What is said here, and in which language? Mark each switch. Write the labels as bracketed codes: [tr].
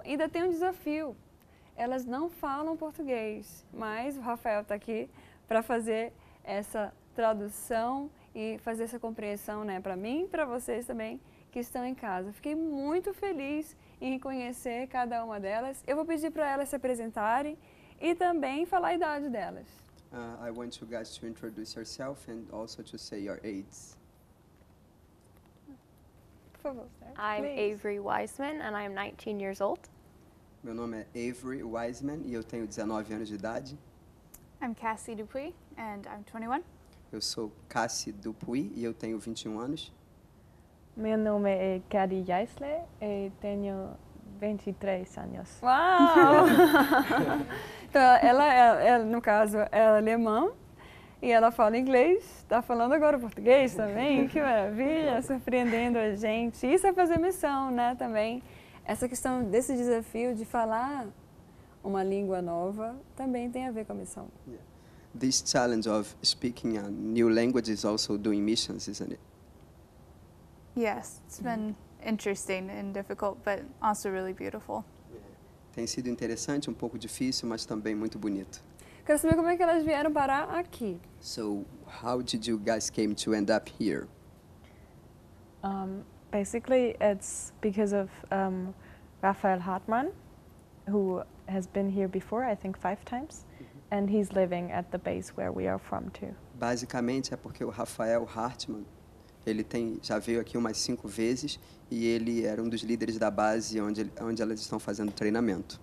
[pt] Ainda tem um desafio. Elas não falam português, mas o Rafael está aqui para fazer essa tradução e fazer essa compreensão, né, para mim e para vocês também que estão em casa. Fiquei muito feliz em conhecer cada uma delas. Eu vou pedir para elas se apresentarem e também falar a idade delas. [en] I want you guys to introduce yourself and also to say your ages. I'm Avery Wiseman and I'm 19 years old. [pt] Meu nome é Avery Wiseman e eu tenho 19 anos de idade. [en] I'm Cassie Dupuy and I'm 21. [pt] Eu sou Cassie Dupuy e eu tenho 21 anos. Meu nome é Kari Geisler e tenho 23 anos. Uau! Então, ela, no caso, é alemã e ela fala inglês, está falando agora português também, que maravilha, surpreendendo a gente. Isso é fazer missão, né, também. Essa questão desse desafio de falar uma língua nova também tem a ver com a missão. [en] This challenge of speaking a new language is also doing missions, isn't it? Yes, it's been interesting and difficult, but also really beautiful. [pt] Tem sido interessante, um pouco difícil, mas também muito bonito. Quero saber como é que elas vieram parar aqui. [en] So, how did you guys came to end up here? Basically, it's because of Rafael Hartmann, who has been here before, I think 5 times, and he's living at the base where we are from too. [pt] Basicamente, é porque o Rafael Hartmann, ele já veio aqui umas 5 vezes e ele era um dos líderes da base onde elas estão fazendo treinamento.